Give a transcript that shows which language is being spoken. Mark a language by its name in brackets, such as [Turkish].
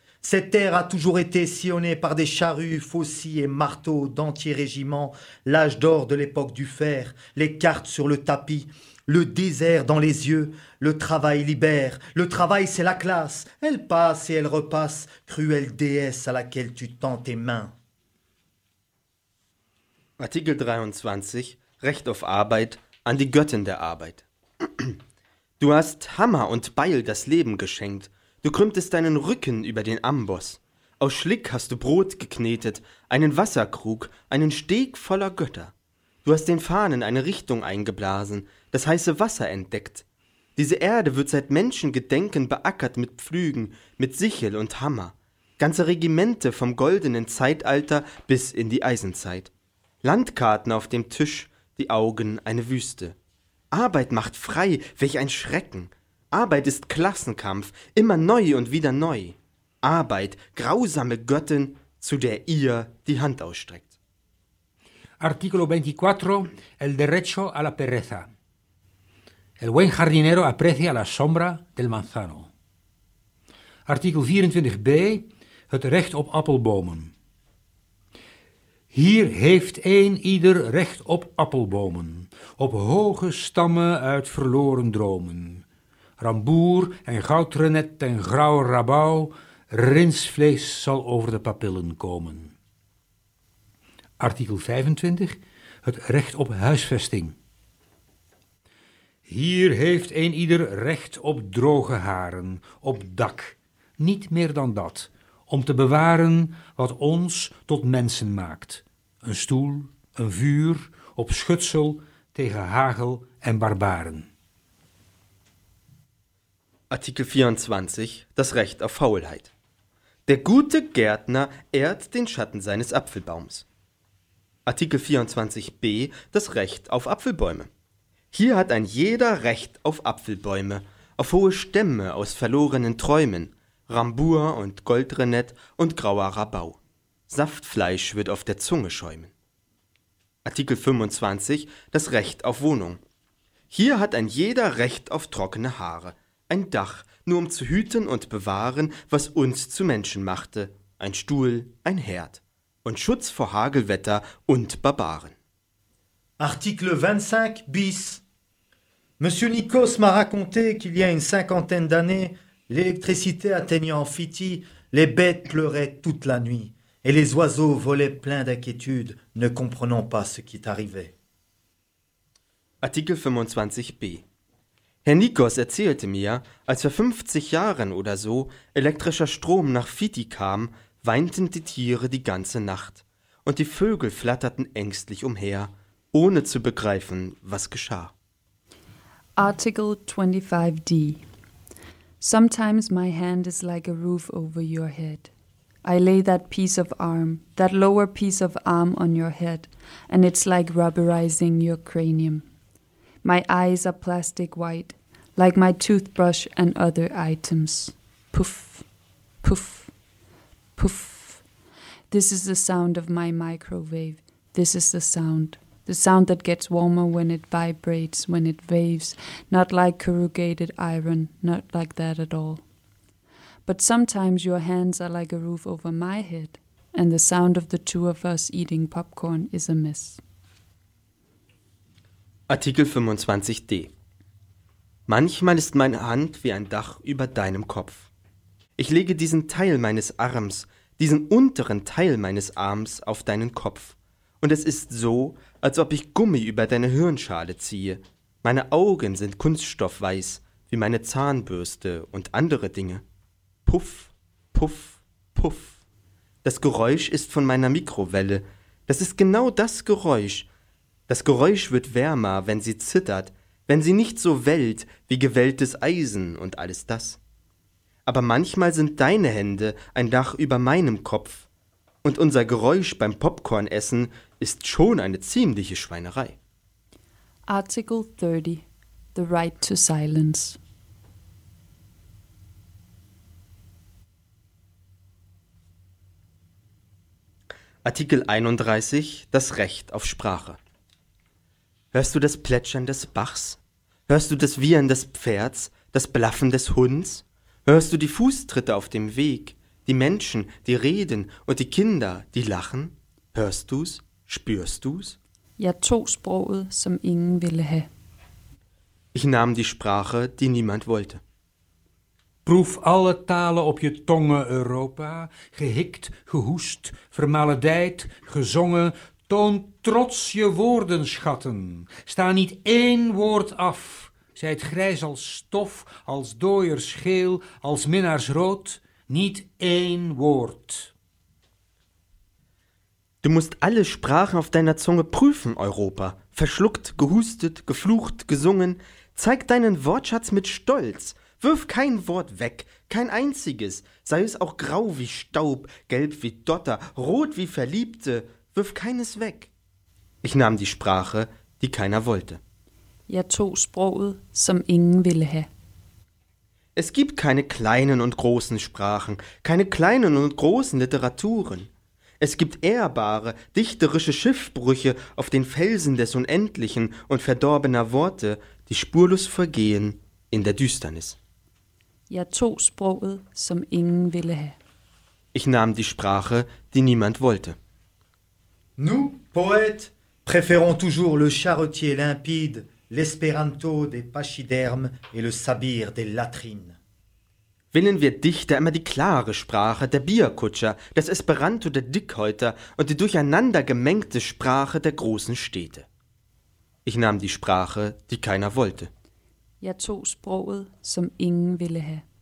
[French] Cette terre a toujours été sillonnée par des charrues, faucilles et marteaux d'entiers régiments. L'âge d'or de l'époque du fer, les cartes sur le tapis, le désert dans les yeux. Le travail libère, le travail c'est la classe. Elle passe et elle repasse, cruelle déesse à laquelle tu tends tes mains. [German] Artikel 23, Recht auf Arbeit, an die Göttin der Arbeit. Du hast Hammer und Beil das Leben geschenkt. Du krümmtest deinen Rücken über den Amboss. Aus Schlick hast du Brot geknetet, einen Wasserkrug, einen Steg voller Götter. Du hast den Fahnen eine Richtung eingeblasen, das heiße Wasser entdeckt. Diese Erde wird seit Menschengedenken beackert mit Pflügen, mit Sichel und Hammer. Ganze Regimente vom goldenen Zeitalter bis in die Eisenzeit. Landkarten auf dem Tisch, die Augen eine Wüste. Arbeit macht frei, welch ein Schrecken. Arbeit ist Klassenkampf, immer neu und wieder neu. Arbeit, grausame Göttin, zu der ihr die Hand ausstreckt. [Spanish] Artículo 24, el derecho a la pereza. El buen jardinero aprecia la sombra del manzano. Artículo 24b, [Dutch] het recht op appelbomen. Hier heeft een ieder recht op appelbomen, op hoge stammen uit verloren dromen. Ramboer en goudrenet en grauw rabouw, rinsvlees zal over de papillen komen. Artikel 25, het recht op huisvesting. Hier heeft een ieder recht op droge haren, op dak, niet meer dan dat, om te bewaren wat ons tot mensen maakt. Een stoel, een vuur, op schutsel tegen hagel en barbaren. [German] Artikel 24, das Recht auf Faulheit. Der gute Gärtner ehrt den Schatten seines Apfelbaums. Artikel 24b, das Recht auf Apfelbäume. Hier hat ein jeder Recht auf Apfelbäume, auf hohe Stämme aus verlorenen Träumen, Rambur und Goldrenett und grauer Rabau. Saftfleisch wird auf der Zunge schäumen. Artikel 25, das Recht auf Wohnung. Hier hat ein jeder Recht auf trockene Haare, ein Dach, nur um zu hüten und bewahren, was uns zu Menschen machte, ein Stuhl, ein Herd, und Schutz vor Hagelwetter und Barbaren. Artikel 25 bis. [French] Monsieur Nikos m'a raconté qu'il y a une cinquantaine d'années, l'électricité atteignant Fiti, les bêtes pleuraient toute la nuit. Et les oiseaux volaient pleins d'inquiétude, ne comprenant pas ce qui t'arrivait. [German] Artikel 25b. Herr Nikos erzählte mir, als vor 50 Jahren oder so elektrischer Strom nach Fiti kam, weinten die Tiere die ganze Nacht und die Vögel flatterten ängstlich umher, ohne zu begreifen, was geschah. Artikel 25d. [English] Sometimes my hand is like a roof over your head. I lay that piece of arm, that lower piece of arm on your head, and it's like rubberizing your cranium. My eyes are plastic white, like my toothbrush and other items. Puff, puff, puff. This is the sound of my microwave. This is the sound. The sound that gets warmer when it vibrates, when it waves. Not like corrugated iron, not like that at all. But sometimes your hands are like a roof over my head, and the sound of the two of us eating popcorn is a mess. [German] Artikel 25d. Manchmal ist meine Hand wie ein Dach über deinem Kopf. Ich lege diesen Teil meines Arms, diesen unteren Teil meines Arms auf deinen Kopf. Und es ist so, als ob ich Gummi über deine Hirnschale ziehe. Meine Augen sind kunststoffweiß, wie meine Zahnbürste und andere Dinge. Puff, puff, puff. Das Geräusch ist von meiner Mikrowelle. Das ist genau das Geräusch. Das Geräusch wird wärmer, wenn sie zittert, wenn sie nicht so wellt wie gewelltes Eisen und alles das. Aber manchmal sind deine Hände ein Dach über meinem Kopf. Und unser Geräusch beim Popcornessen ist schon eine ziemliche Schweinerei. [English] Article 30, the right to silence. [German] Artikel 31, das Recht auf Sprache. Hörst du das Plätschern des Bachs? Hörst du das Wiehern des Pferds, das Blaffen des Hunds? Hörst du die Fußtritte auf dem Weg, die Menschen, die reden und die Kinder, die lachen? Hörst du's? Spürst du's? [Danish] Ja, tog sproget, som ingen ville have. [German] Ich nahm die Sprache, die niemand wollte. [Dutch] Proef alle talen op je tongen, Europa. Gehikt, gehoest, vermaledijd, gezongen. Toon trots je woorden, schatten. Sta niet één woord af. Zij het grijs als stof, als dooiers geel, als minnaars rood. Niet één woord. [German] Du musst alle Sprachen auf deiner Zunge prüfen, Europa. Verschluckt, gehustet, geflucht, gesungen. Zeig deinen Wortschatz mit Stolz. Wirf kein Wort weg, kein einziges. Sei es auch grau wie Staub, gelb wie Dotter, rot wie Verliebte. Wirf keines weg. Ich nahm die Sprache, die keiner wollte. [Danish] Jeg tog sproget, som ingen ville have. [German] Es gibt keine kleinen und großen Sprachen, keine kleinen und großen Literaturen. Es gibt ehrbare, dichterische Schiffbrüche auf den Felsen des Unendlichen und verdorbener Worte, die spurlos vergehen in der Düsternis. [Danish] Jeg tog sproget, som ingen ville have. [German] Ich nahm die Sprache, die niemand wollte. [French] Nous, poètes, préférons toujours le charretier limpide, l'espéranto des pachydermes et le sabir des latrines. [German] Wählen wir Dichter immer die klare Sprache der Bierkutscher, das Esperanto der Dickhäuter und die durcheinander gemengte Sprache der großen Städte. Ich nahm die Sprache, die keiner wollte. [Danish] Jeg tog sproget, som ingen ville have.